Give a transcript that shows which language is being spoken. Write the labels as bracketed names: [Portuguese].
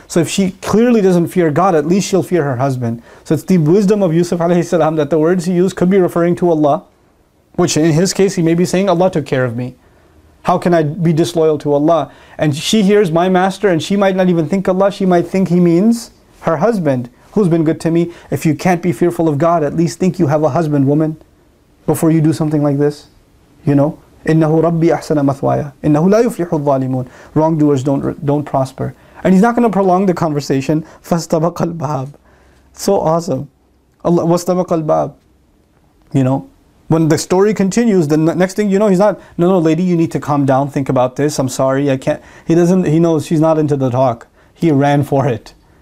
[English] So if she clearly doesn't fear God, at least she'll fear her husband. So it's the wisdom of Yusuf alayhi salam that the words he used could be referring to Allah, which in his case he may be saying, Allah took care of me. How can I be disloyal to Allah? And she hears my master, and she might not even think Allah, she might think he means her husband, who's been good to me. If you can't be fearful of God, at least think you have a husband, woman, before you do something like this. You know? [Arabic] إِنَّهُ رَبِّي أَحْسَنَ مَثْوَايَ إِنَّهُ لَا يُفْلِحُ الظَّالِمُونَ [English] Wrongdoers don't prosper. And he's not going to prolong the conversation. [Arabic] فَاسْتَبَقَ الْبَابِ [English] So awesome. Allah, [Arabic] وَاسْتَبَقَ الْبَابِ [English] You know? When the story continues, the next thing you know, he's not, no, lady, you need to calm down, think about this, I'm sorry, I can't. He knows she's not into the talk. He ran for it.